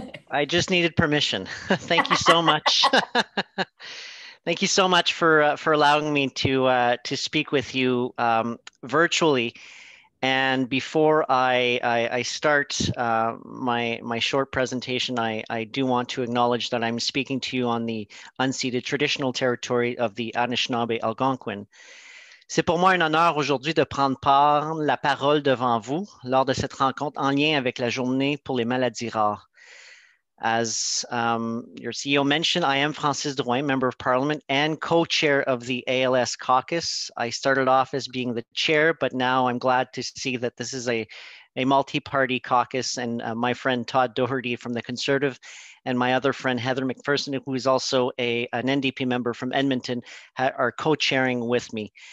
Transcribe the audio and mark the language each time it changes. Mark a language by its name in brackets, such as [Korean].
[English] I just needed permission. Thank you so much. Thank you so much for allowing me to speak with you virtually. And before I start my short presentation, I do want to acknowledge that I'm speaking to you on the unceded traditional territory of the Anishinaabe Algonquin. [French] C'est pour moi un honneur aujourd'hui de prendre part la parole devant vous lors de cette rencontre en lien avec la journée pour les maladies rares. [English] As your CEO mentioned, I am Frances Drouin, Member of Parliament and co-chair of the ALS Caucus. I started off as being the chair, but now I'm glad to see that this is a multi-party caucus, and my friend Todd Doherty from the Conservative and my other friend Heather McPherson, who is also an NDP member from Edmonton, are co-chairing with me.